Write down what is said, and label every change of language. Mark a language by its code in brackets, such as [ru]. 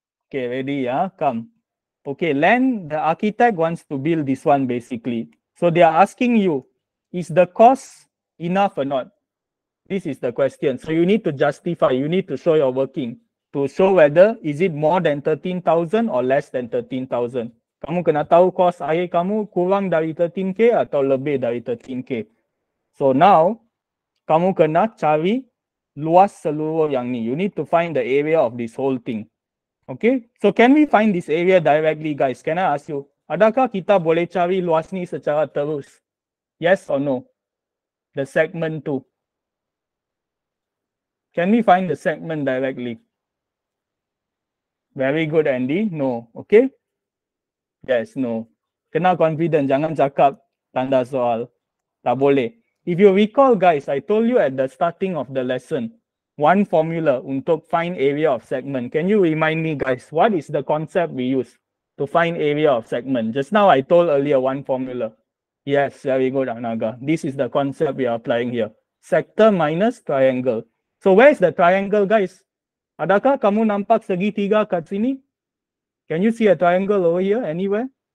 [en] Okay, ready, yeah? Come. Okay, Len, the architect wants to build this one basically. So they are asking you, is the cost enough or not? This is the question. So you need to justify, you need to show your working to show whether is it more than 13,000 or less than 13,000. [ms] Kamu kena tahu kos air kamu kurang dari 13K atau lebih dari 13K. So now, kamu kena cari luas seluruh yang ni. [en] You need to find the area of this whole thing. Okay? So can we find this area directly, guys? Can I ask you? [ms] Adakah kita boleh cari luas ni secara terus? [en] Yes or no? The segment tu. Can we find the segment directly? Very good, Andy. No. Okay? Yes, no. [ms] Kena confident. Jangan cakap tanda soal. Tak boleh. [en] If you recall, guys, I told you at the starting of the lesson, one formula untuk find area of segment. Can you remind me, guys, what is the concept we use to find area of segment? Just now, I told earlier one formula. Yes, very good, Anaga. This is the concept we are applying here. Sector minus triangle. So where is the triangle, guys? [ms] Adakah kamu nampak segi tiga kat sini? [en] Can you see a triangle over here anywhere?